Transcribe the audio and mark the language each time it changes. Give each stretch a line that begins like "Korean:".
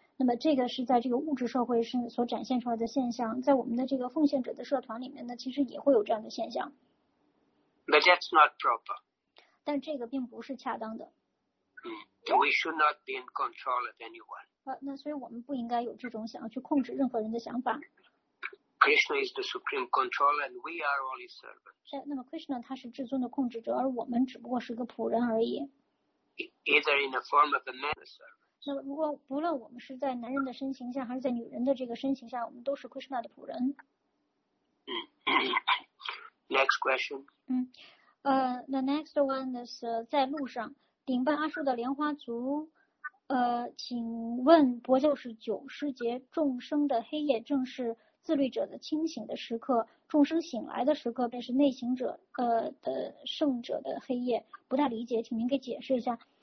Chinese: 那么这个是在这个物质社会是所展现出来的现象，在我们的这个奉献者的社团里面呢，其实也会有这样的现象。
English: But that's not proper.
Chinese: 但这个并不是恰当的。
English: We should not be in control of anyone.
Chinese: 那所以我们不应该有这种想要去控制任何人的想法。
English: Krishna is the supreme controller and we are all his servants.
Chinese: 那么 Krishna 他是至尊的控制者，而我们只不过是个仆人而已。
English: Either in the form of a man or servant.
Chinese: 那如果不论我们是在男人的身形下，还是在女人的这个身形下，我们都是 Krishna 的仆人。
English: Next question. The next one is
Chinese: 在路上，顶拜阿叔的莲花族，请问博就是九师节众生的黑夜，正是自律者的清醒的时刻，众生醒来的时刻便是内行者的圣者的黑夜，不大理解，请您给解释一下。